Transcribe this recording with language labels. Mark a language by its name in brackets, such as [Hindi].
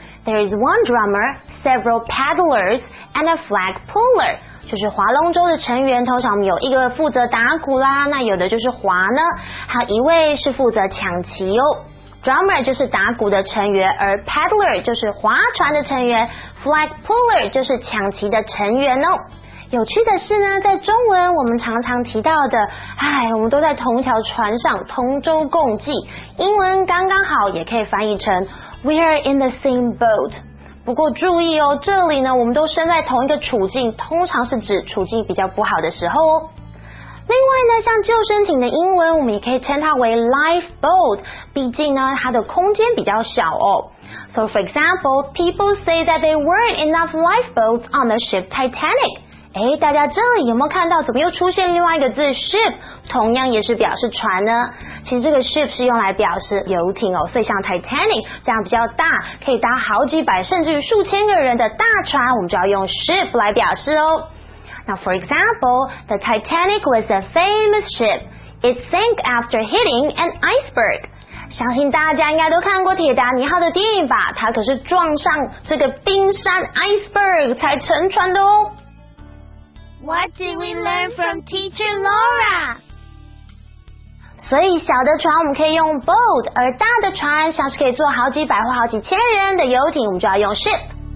[English] There is one drummer, several paddlers, and a flag puller. [Chinese] 就是划龙舟的成员，通常有一个负责打鼓啦，那有的就是划呢，还有一位是负责抢旗哦。 Drummer 就是打鼓的成员，而 paddler 就是划船的成员， flag puller 就是抢旗的成员哦。有趣的是呢，在中文我们常常提到的，哎，我们都在同条船上，同舟共济。英文刚刚好也可以翻译成 [English] We are in the same boat。 [Chinese] 不过注意哦，这里呢，我们都身在同一个处境，通常是指处境比较不好的时候哦。另外呢，像救生艇的英文，我们也可以称它为 lifeboat， 毕竟呢，它的空间比较小哦。 [English] So for example, people say that there weren't enough lifeboats on the ship Titanic. [Chinese] 哎，大家这里有没有看到怎么又出现另外一个字 ship， 同样也是表示船呢？其实这个 ship 是用来表示游艇哦，所以像 Titanic 这样比较大，可以搭好几百甚至于数千个人的大船，我们就要用 ship 来表示哦。 [English] Now for example, the Titanic was a famous ship. It sank after hitting an iceberg. [Chinese] 相信大家应该都看过铁达尼号的电影吧，它可是撞上这个冰山 iceberg 才沉船的哦。 [English] What did we learn from Teacher Laura? [Chinese] 所以小的船我们可以用 boat， 而大的船像是可以坐好几百或好几千人的游艇，我们就要用 ship。